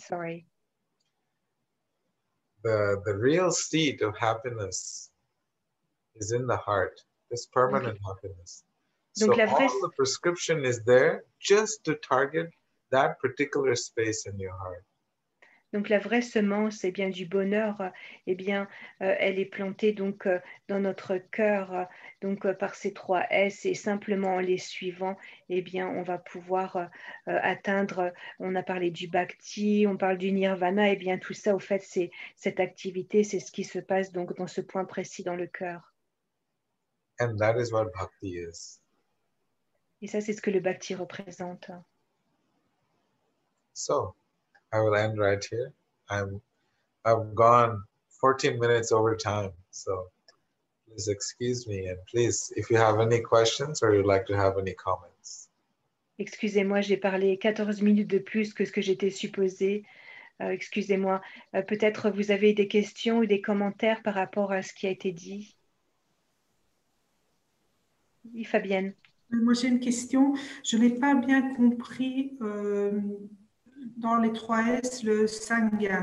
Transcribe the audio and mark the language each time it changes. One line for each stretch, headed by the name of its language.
English: Sorry. The real seat of happiness is in the heart. It's permanent happiness. So all the prescription is there just to target that particular space in your heart.
French: Donc la vraie semence, eh bien, du bonheur, eh bien, elle est plantée donc dans notre cœur, donc par ces trois S, et simplement en les suivant, eh bien, on va pouvoir atteindre. On a parlé du bhakti, on parle du nirvana, et eh bien tout ça, au fait, c'est cette activité, c'est ce qui se passe donc dans ce point précis dans le cœur.
English: And that is what bhakti is.
French: Et ça, c'est ce que le bhakti représente.
English: So, I will end right here. I've gone 14 minutes over time. So, please excuse me. And please, if you have any questions or you'd like to have any comments.
French: Excusez-moi, j'ai parlé 14 minutes de plus que ce que j'étais supposé. Excusez-moi. Peut-être vous avez des questions ou des commentaires par rapport à ce qui a été dit. Oui, Fabienne. Moi, j'ai une question. Je n'ai pas bien compris dans les 3S le Sangha.